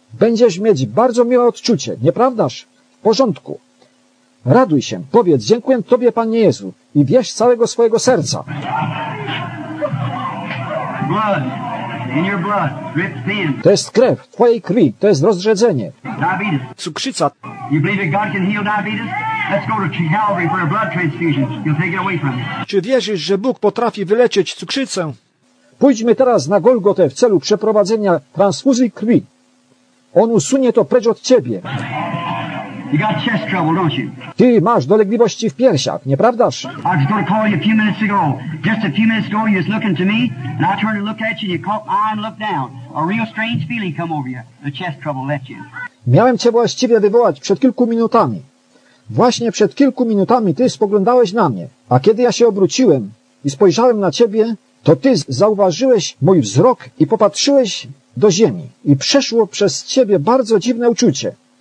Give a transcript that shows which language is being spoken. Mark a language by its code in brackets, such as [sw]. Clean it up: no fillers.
[pl] Będziesz mieć bardzo miłe odczucie, nieprawdaż? W porządku. Raduj się. Powiedz, dziękuję Tobie, Panie Jezu, i wierz całego swojego serca. [en] Blood. In your blood. [pl] To jest krew, twojej krwi, to jest rozrzedzenie. [en] Diabetes. [pl] Cukrzyca. [en] You believe that God can heal diabetes? Let's go to Calvary for a blood transfusion. He'll take it away from you. [pl] Czy wierzysz, że Bóg potrafi wyleczyć cukrzycę? Pójdźmy teraz na Golgotę w celu przeprowadzenia transfuzji krwi. On usunie to precz od ciebie. [en] You got chest trouble, don't you? [pl] Ty masz dolegliwości w piersiach, nieprawdaż? [en] I was going to call you a few minutes ago. Just a few minutes ago, you was looking to me, and I turned to look at you, and you caught my eye and looked down. A real strange feeling come over you. The chest trouble left you. [pl] Miałem cię właściwie wywołać przed kilku minutami. Właśnie przed kilku minutami ty spoglądałeś na mnie, a kiedy ja się obróciłem i spojrzałem na ciebie, to ty zauważyłeś mój wzrok i popatrzyłeś do ziemi i przeszło przez ciebie bardzo dziwne uczucie.